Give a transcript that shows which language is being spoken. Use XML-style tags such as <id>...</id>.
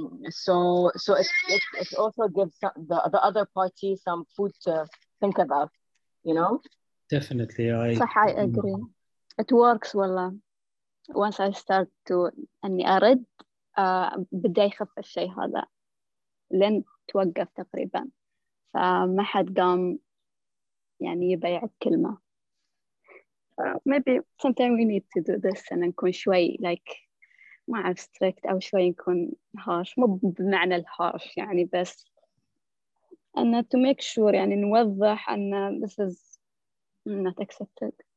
<en>So it also gives the other party some food to think about, you know. Definitely, I agree. It works, والله. Once I start to</en> <ar>أني أرد, بدي يخف الشيء هذا. لين توقف تقريبا. فما حد قام يعني يبيع الكلمة.</ar> <en>Maybe sometimes we need to do this and</en> <ar>نكون شوي</ar> <en>like.</en> <ar>ما أعرف strict أو شوي يكون harsh, مو بمعنى harsh يعني, بس أن</ar> <en>to make sure</en> <ar>يعني نوضح أن</ar> <en>this is not accepted.</en>